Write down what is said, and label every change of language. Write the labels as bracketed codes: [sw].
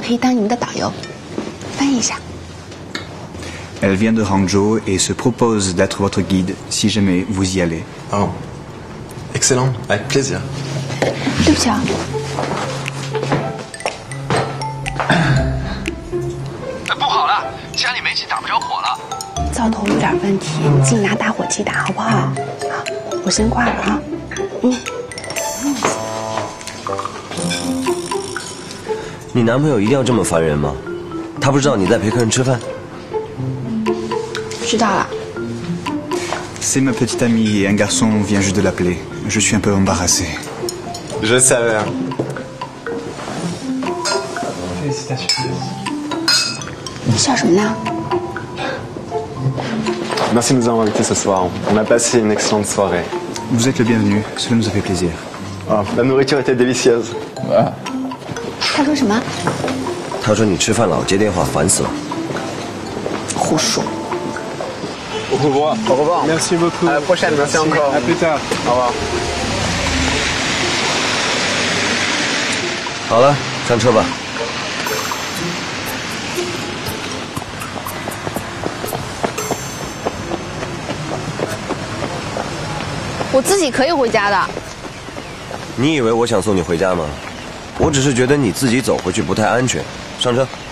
[zh] 小姨啊，家里有没有辣椒酱？在厨房左边的柜子里，你自己找一下啊。我先挂了，我有事呢。不好意思，他问我什么？问你是不是上海人？我不是上海人，我是杭州人。你们要是来杭州的话，我可以当你们的导游，翻译一下。 [fr] Elle vient de Hangzhou et se propose d'être votre guide si jamais vous y allez. Oh, excellent, avec plaisir. Merci. C'est pas grave, j'ai un peu de problème. J'ai un peu de problème, j'ai un peu de problème. Je vais vous couper. Votre mari doit être si fâché? Il ne sait pas que vous êtes avec quelqu'un? [zh] 知道了。 [fr] C'est ma petite amie et un garçon vient juste de l'appeler. Je suis un peu embarrassé. Je savais. Félicitations. [zh] 你笑什么呢？ [fr] Merci de nous avoir invités ce soir. On a passé une excellente soirée. Vous êtes le bienvenu. Cela nous a fait plaisir. Oh, la nourriture était délicieuse. [zh] 他说什么？他说你吃饭老接电话，烦死了。胡说。 [fr] au revoir，merci beaucoup，à la prochaine，merci encore，à plus tard， [zh] 好吧。好了，上车吧。我自己可以回家的。你以为我想送你回家吗？我只是觉得你自己走回去不太安全，上车。